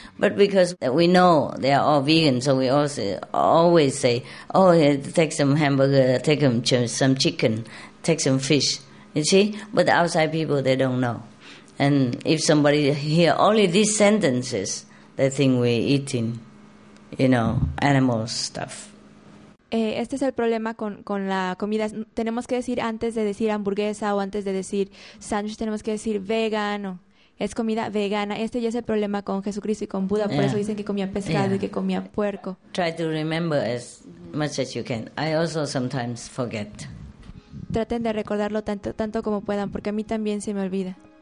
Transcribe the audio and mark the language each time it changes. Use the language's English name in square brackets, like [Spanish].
[English] But because we know they are all vegan, so we also always say, oh, yeah, take some hamburger, take some chicken, take some fish. You see? But the outside people, they don't know. And if somebody hear only these sentences, they think we're eating, you know, animal stuff. [Spanish] Este es el problema con la comida. Tenemos que decir antes de decir hamburguesa o antes de decir sándwich, tenemos que decir vegano. Es comida vegana. Este ya es el problema con Jesucristo y con Buda. Por eso dicen que comía pescado y que comía puerco. [English] Try to remember as much as you can. I also sometimes forget. [Spanish] Traten de recordarlo tanto como puedan, porque a mí también se me olvida.